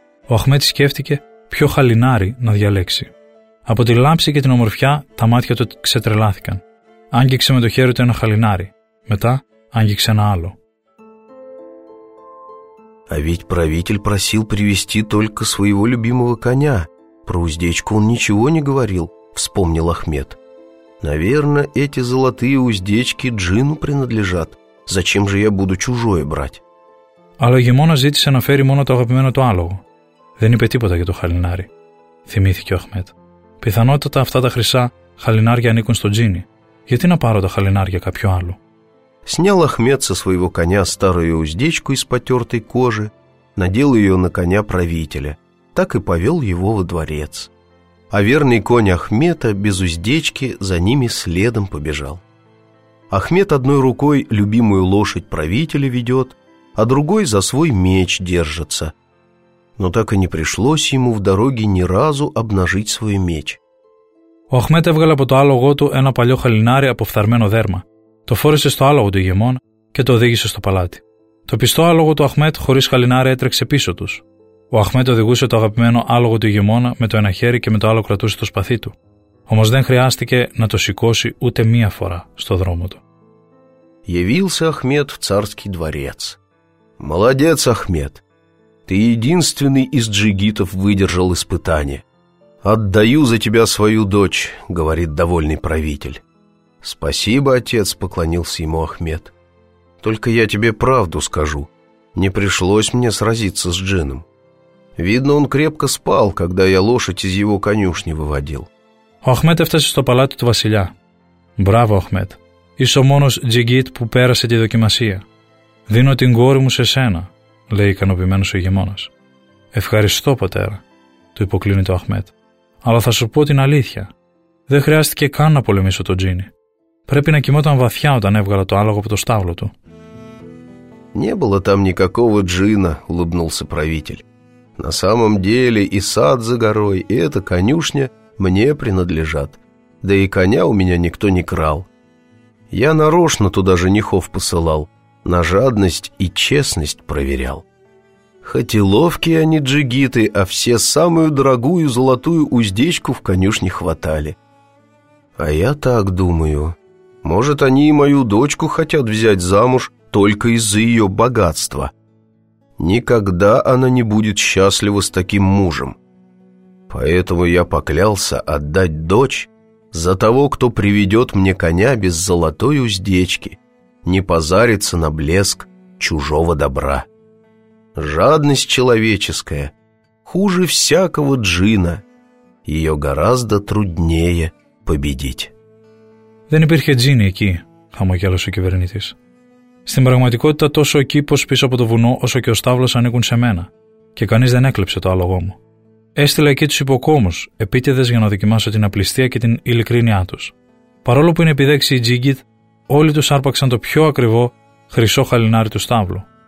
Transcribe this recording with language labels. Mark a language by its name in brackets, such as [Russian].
[Greek] Ο Αχμέτ σκέφτηκε ποιο χαλινάρι να διαλέξει. Από τη λάμψη και την ομορφιά τα μάτια του ξετρελάθηκαν. Άγγιξε με το χέρι του ένα χαλινάρι. Μετά άγγιξε ένα άλλο. [Russian] «А ведь правитель просил привести только своего любимого коня. Про уздечку он ничего не говорил», — вспомнил Ахмед. «Наверное, эти золотые уздечки джину принадлежат. Зачем же я буду чужое брать?» [Greek] Αλλά ο ηγεμόνας ζήτησε να φέρει μόνο το αγαπημένο του άλογο. Δεν είπε τίποτα για το χαλινάρι, θυμήθηκε ο Αχμέτ. Πιθανότατα αυτά τα χρυσά χαλινάρια ανήκουν στο τζίνι. Γιατί να πάρω τα χαλινάρια κάποιο άλλο? [Russian] Снял Ахмед со своего коня старую уздечку из потертой кожи, надел ее на коня правителя, так и повел его во дворец. А верный конь Ахмета без уздечки за ними следом побежал. Ахмед одной рукой любимую лошадь правителя ведет, а другой за свой меч держится. Но так и не пришлось ему в дороге ни разу обнажить свой меч. [Greek] Ο Αχμέτ έβγαλε από το άλογο του ένα παλιό χαλινάρι από φθαρμένο δέρμα. Το φόρεσε στο άλογο του ηγεμόνα και το οδήγησε στο παλάτι. Το πιστό άλογο του Αχμέτ χωρίς χαλινάρι έτρεξε πίσω τους. Ο Αχμέτ οδηγούσε το αγαπημένο άλογο του ηγεμόνα με το ένα χέρι και με το άλλο κρατούσε το σπαθί του. Όμως δεν χρειάστηκε να το σηκώσει ούτε μία φορά στο δρόμο του. [Russian] Явился Ахмед в царский дворец. Молодец, Ахмед. Ты единственный из джигитов выдержал испытание. Отдаю за тебя свою дочь, говорит довольный правитель. Спасибо, отец, поклонился ему Ахмед. Только я тебе правду скажу. Не пришлось мне сразиться с джином. Видно, он крепко спал, когда я лошадь из его конюшни выводил. [Greek] Ο Ахмед έφτασε στο παλάτι του βασιλιά. Μπράβο, Ахмед. Είσαι ο μόνος τζιγκίτ που πέρασε τη δοκιμασία. Δίνω την κόρη μου σε σένα, λέει ικανοποιημένος ο ηγεμόνας. Ευχαριστώ, πατέρα, του υποκλίνει το Αχμέτ. Αλλά θα σου πω την αλήθεια. Δεν χρειάστηκε καν να πολεμήσω τον τζίνι. Πρέπει να κοιμόταν βαθιά όταν έβγαλα το άλογο από το στάβλο του. [Russian] Не было там никакого джина, улыбнулся правитель. На самом деле и сад за горой, и эта конюшня мне принадлежат. Да и коня у меня никто не крал. Я нарочно туда женихов посылал, на жадность и честность проверял. Хоть и ловкие они джигиты, а все самую дорогую золотую уздечку в конюшне хватали. А я так думаю, может, они и мою дочку хотят взять замуж только из-за ее богатства. Никогда она не будет счастлива с таким мужем. Поэтому я поклялся отдать дочь за того, кто приведет мне коня без золотой уздечки, не позарится на блеск чужого добра. Жадность человеческая хуже всякого джина. Ее гораздо труднее победить. [Greek] «Δεν υπήρχε джинни εκεί», χαμογέλωσε ο κυβερνήτης. «Στην πραγματικότητα τόσο ο κήπος πίσω από το βουνό όσο και ο στάβλος ανήκουν σε μένα και κανείς δεν έκλεψε το άλογό μου. Έστειλα εκεί τους υποκόμους, επίτηδες για να δοκιμάσω την απληστία και την ειλικρίνειά τους. Παρόλο που είναι επιδέξει η Τζίγκιτ, όλοι τους άρπαξαν το πιο ακριβό χρυσό χαλινάρι του στάβλου.